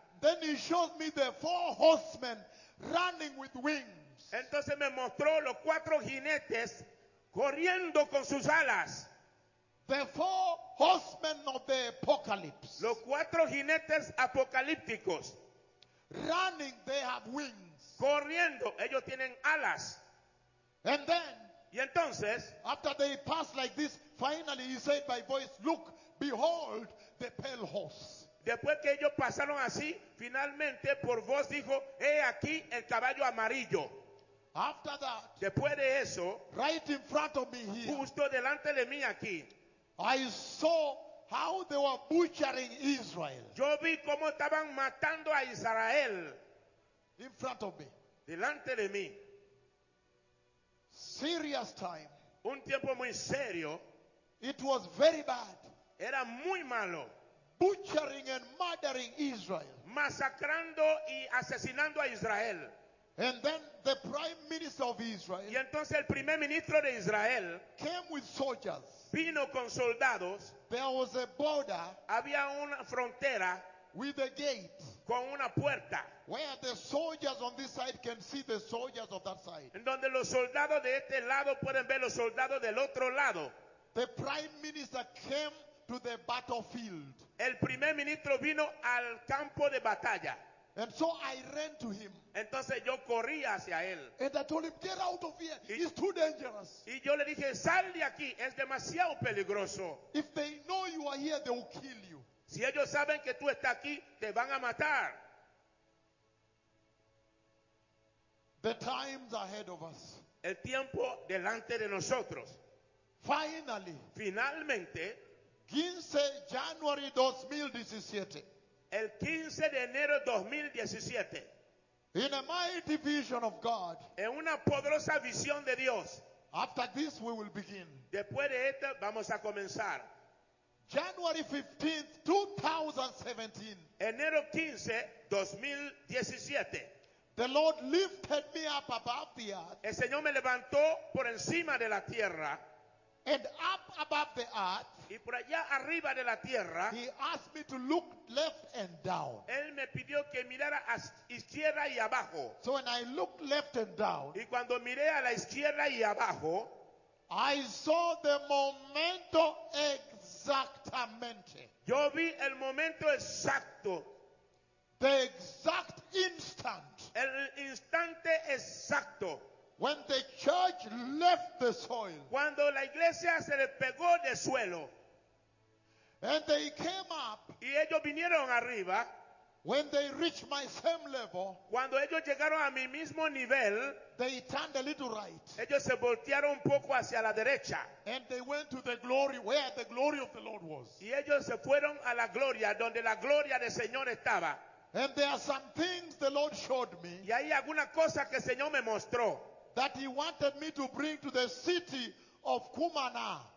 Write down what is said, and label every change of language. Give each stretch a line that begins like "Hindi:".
English: then he showed me the four horsemen running with wings.
Spanish: Entonces me mostró los cuatro jinetes corriendo con sus alas.
English: The four horsemen of the apocalypse.
Spanish: Los cuatro jinetes apocalípticos.
English: Running, they have wings.
Spanish: Corriendo, ellos tienen alas.
English: And then,
Spanish: y entonces,
English: after they passed like this, finally he said by voice, look, behold the pale horse.
Spanish: Después que ellos pasaron así, finalmente por voz dijo, he aquí el caballo amarillo.
English: After that,
Spanish: después de eso,
English: right in front of me here,
Spanish: justo delante de mí aquí,
English: I saw how they were butchering Israel.
Spanish: Yo vi cómo estaban matando a Israel.
English: In front of me.
Spanish: Delante de mí.
English: Serious time.
Spanish: Un tiempo muy serio.
English: It was very bad.
Spanish: Era muy malo.
English: Butchering and murdering Israel.
Spanish: Masacrando y asesinando a Israel.
English: And then the prime minister of Israel.
Spanish: Y entonces el primer ministro de Israel.
English: Came with soldiers.
Spanish: Vino con soldados.
English: There was a border.
Spanish: Había una frontera.
English: With a gate.
Spanish: Con una puerta.
English: Where the soldiers on this side can see the soldiers of that side.
Spanish: En donde los soldados de este lado pueden ver los soldados del otro lado.
English: The prime minister came to the battlefield.
Spanish: El primer ministro vino al campo de batalla.
English: And so I ran to him.
Spanish: Entonces yo corrí hacia él.
English: And I told him, get out of here. It's too dangerous.
Spanish: Y yo le dije, sal de aquí. Es demasiado peligroso.
English: If they know you are here, they will kill you.
Spanish: Si ellos saben que tú estás aquí, te van a matar.
English: The time's ahead of us.
Spanish: El tiempo delante de nosotros.
English: Finally.
Spanish: Finalmente.
English: 15 January 2017.
Spanish: El 15 de enero 2017.
English: In a mighty vision of God.
Spanish: En una poderosa visión de Dios.
English: After this we will begin.
Spanish: Después de esto vamos a comenzar.
English: January 15th, 2017.
Spanish: Enero 15, 2017.
English: The Lord lifted me up above the earth.
Spanish: El Señor me levantó por encima de la tierra.
English: And up above the earth,
Spanish: y por allá arriba de la tierra,
English: he asked me to look left and down.
Spanish: Él me pidió que mirara a izquierda y abajo.
English: So when I looked left and down,
Spanish: y cuando miré a la izquierda y abajo,
English: I saw the
Spanish: momento exactamente. Yo vi el momento exacto.
English: The exact instant.
Spanish: El instante exacto.
English: When the church left the soil.
Spanish: Cuando la iglesia se despegó del suelo.
English: And they came up.
Spanish: Y ellos vinieron arriba.
English: When they reached my same level.
Spanish: Cuando ellos llegaron a mi mismo nivel.
English: They turned a little right.
Spanish: Ellos se voltearon un poco hacia la derecha.
English: And they went to the glory, where the glory of the Lord was.
Spanish: Y ellos se fueron a la gloria, donde la gloria del Señor estaba.
English: And there are some things the Lord showed me.
Spanish: Y hay alguna cosa que el Señor me mostró.
English: That he wanted me to bring to the city of Cumaná.